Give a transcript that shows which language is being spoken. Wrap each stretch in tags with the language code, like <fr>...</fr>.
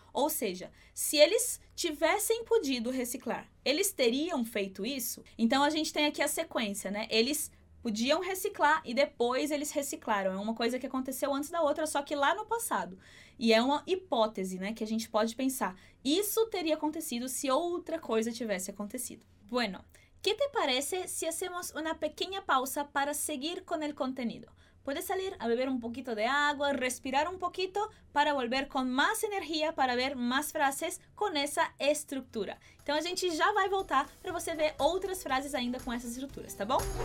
<pt>Ou seja, se eles tivessem podido reciclar, eles teriam feito isso? Então, a gente tem aqui a sequência, né? Eles podiam reciclar e depois eles reciclaram. É uma coisa que aconteceu antes da outra, só que lá no passado. E é uma hipótese, né? Que a gente pode pensar. Isso teria acontecido se outra coisa tivesse acontecido.</pt> <es>Bueno, ¿qué te parece si hacemos una pequeña pausa para seguir con el contenido? Puedes salir a beber un poquito de agua, respirar un poquito para volver con más energía para ver más frases con esa estructura.</es> <pt>Então a gente já vai voltar para você ver outras frases ainda com essas estruturas, tá bom?</pt>